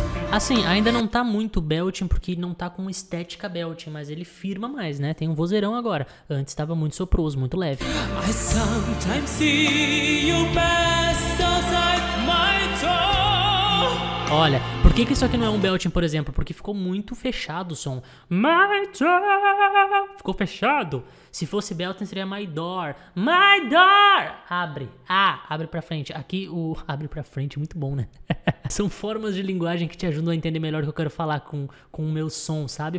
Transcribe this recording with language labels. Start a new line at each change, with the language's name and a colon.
Portuguese: Assim, ainda não tá muito belting, porque não tá com estética belting, mas ele firma mais, né? Tem um vozeirão agora. Antes tava muito soproso, muito leve.
English: I sometimes see you best outside my door.
Portuguese: Olha, por que que isso aqui não é um belting, por exemplo? Porque ficou muito fechado o som.
English: My door.
Portuguese: Ficou fechado. Se fosse belting, seria my door.
English: My door.
Portuguese: Abre. Ah, abre pra frente. Aqui o abre pra frente é muito bom, né? São formas de linguagem que te ajudam a entender melhor o que eu quero falar com o meu som, sabe?